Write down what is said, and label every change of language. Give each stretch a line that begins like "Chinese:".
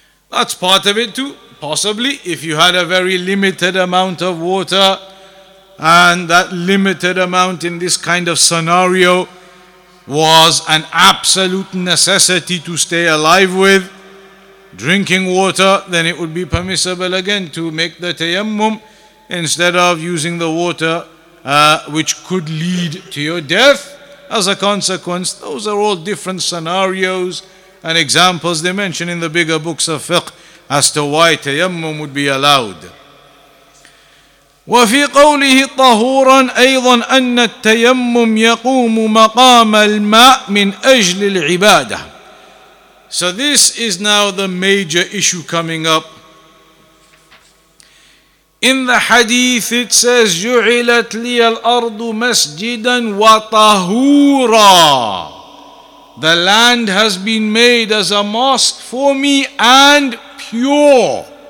English: That's part of it too. Possibly, if you had a very limited amount of water, and that limited amount in this kind of scenario was an absolute necessity to stay alive with, drinking water, then it would be permissible again to make the tayammum instead of using the water which could lead to your death as a consequence. Those are all different scenarios and examples they mention in the bigger books of fiqh as to why tayammum would be allowed.
Arabic: وفي قوله طهورا أيضا أن التيمم يقوم مقام الماء من أجل العبادة.
English: So this is now the major issue coming up. In the hadith it says
Arabic: جعلت لي الأرض مسجدا وطهورا.
English: The land has been made as a mosque for me and pure.